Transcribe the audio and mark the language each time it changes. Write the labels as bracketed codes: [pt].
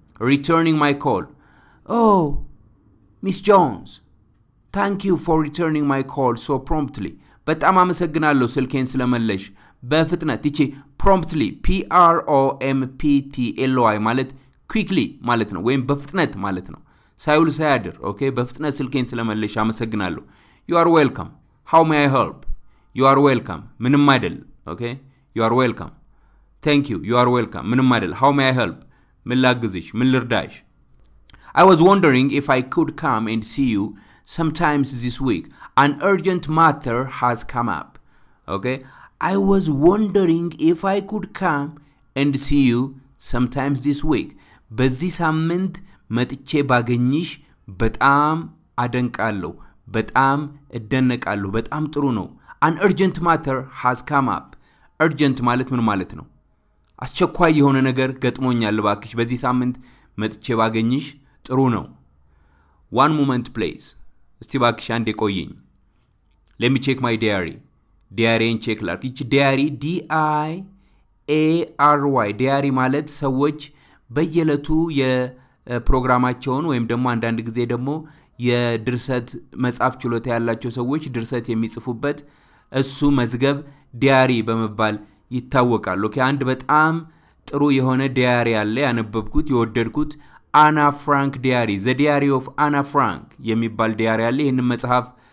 [en] returning my call oh miss jones thank you for returning my call so promptly [am] በጣም አመሰግናለሁ ስልኬን ስለመለሽ በፍጥነት እቺ [en] promptly p r o m p t l y [am] ማለት [en] quickly [am] ማለት ነው ወይም በፍጥነት ማለት ነው ሳይውል ሳይአድር ኦኬ በፍጥነት ስልኬን ስለመለሽ አመሰግናለሁ [en] you are welcome how may i help you are welcome [am] ምንም አይደል ኦኬ [en] you are welcome thank you you are welcome [am] ምንም አይደል [en] how may i help [am] ምን ላግዝሽ? ምን ልርዳሽ? [en] I was wondering if I could come and see you sometimes this week. An urgent matter has come up. Okay? I was wondering if I could come and see you sometimes this week. [am] በዚህ ሳምንት መጥቼ ባገኝሽ በጣም አደንቃለሁ። በጣም እደነቃለሁ። በጣም ጥሩ ነው። [en] An urgent matter has come up. [am] Urgent ማለት ምን ማለት ነው? አስቸኳይ የሆነ ነገር ገጥሞኛል ባክሽ በዚህ ሳምንት መጥቼ ባገኝሽ ጥሩ ነው። [en] One moment please. [am] እስቲ ባክሽ አንዴ ቆይኝ። [en] Let me check my diary. [am] ዲያሪን ቼክ ላድርግ። እቺ ዲያሪ DIARY ዲያሪ ማለት ሰዎች በየለቱ የፕሮግራማቸውን ወይም ደግሞ አንዳንድ ጊዜ ደግሞ የድርሰት መጻፍ ችሎታ ያላቸው ሰዎች ድርሰት የሚጽፉበት እሱ መዝገብ ዲያሪ በመባል ይታወቃል። ኦኬ አንድ በጣም ጥሩ የሆነ ዲያሪ አለ ያነበብኩት የወደድኩት አና ፍራንክ ዲያሪ ዘ ዲያሪ ኦፍ አና ፍራንክ የሚባል ዲያሪ አለ። ይሄን መጽሐፍ